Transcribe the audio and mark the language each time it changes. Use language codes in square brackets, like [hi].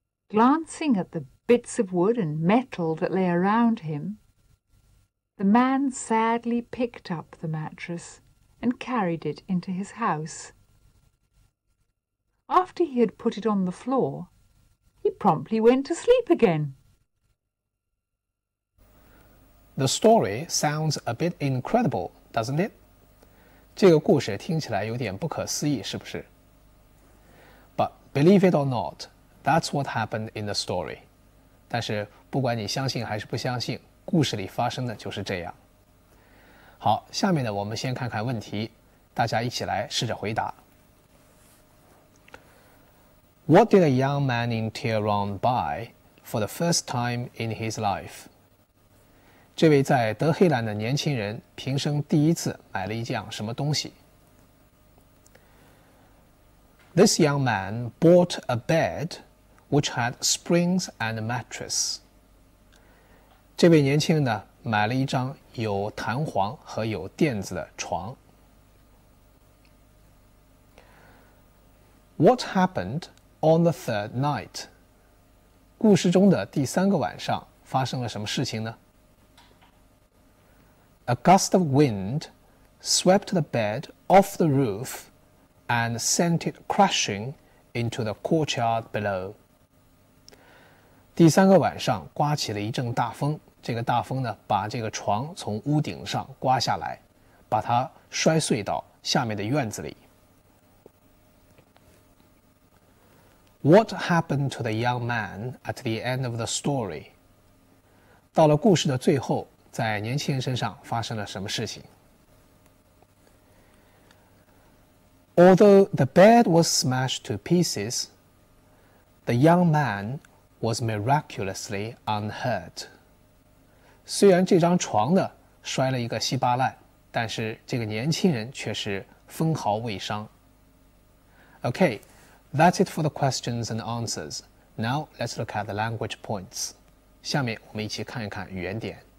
[en] Glancing at the bits of wood and metal that lay around him, the man sadly picked up the mattress and carried it into his house. After he had put it on the floor, he promptly went to sleep again. The story sounds a bit incredible, doesn't it? [zh] 这个故事听起来有点不可思议，是不是？ [en] But believe it or not, that's what happened in the story. [zh] 但是不管你相信还是不相信，故事里发生的就是这样。好，下面呢，我们先看看问题，大家一起来试着回答。 [en] What did a young man in Tehran buy for the first time in his life? [zh] 这位在德黑兰的年轻人平生第一次买了一样什么东西? [en] This young man bought a bed which had springs and a mattress. [zh] 这位年轻人呢买了一张有弹簧和有垫子的床。 [en] What happened? On the third night, [zh] 故事中的第三个晚上发生了什么事情呢? [en] A gust of wind swept the bed off the roof and sent it crashing into the courtyard below. [zh] 第三个晚上刮起了一阵大风，这个大风呢把这个床从屋顶上刮下来，把它摔碎到下面的院子里。 [en] What happened to the young man at the end of the story? [zh] 到了故事的最后，在年轻人身上发生了什么事情？ [en] Although the bed was smashed to pieces, the young man was miraculously unhurt. [zh] 虽然这张床呢摔了一个稀巴烂，但是这个年轻人却是分毫未伤。 [en] Okay. That's it for the questions and answers. Now, let's look at the language points. [zh] 下面我们一起看一看语言点。